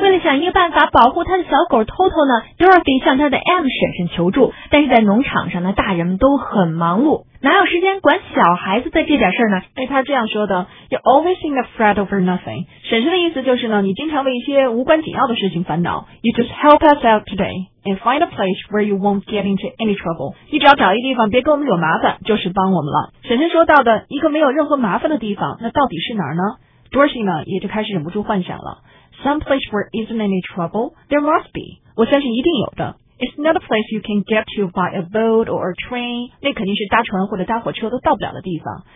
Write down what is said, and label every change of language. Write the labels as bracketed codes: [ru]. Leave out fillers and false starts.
[zh] 为了想一个办法保护他的小狗 Toto 呢， Dorothy 向他的 M 婶婶求助，但是在农场上呢，大人们都很忙碌，哪有时间管小孩子的这点事呢？哎，他这样说的， [en] You're always in a fret over nothing. [zh] 婶婶的意思就是呢，你经常为一些无关紧要的事情烦恼。 [en] You just help us out today and find a place where you won't get into any trouble. [zh] 你只要找一个地方别给我们惹麻烦，就是帮我们了。婶婶说到的一个没有任何麻烦的地方，那到底是哪儿呢？ Dorothy 呢也就开始忍不住幻想了。 [en] Some place where isn't any trouble, there must be. [zh] 我相信一定有的。 [en] It's not a place you can get to by a boat or a train. [zh] 那肯定是搭船或者搭火车都到不了的地方。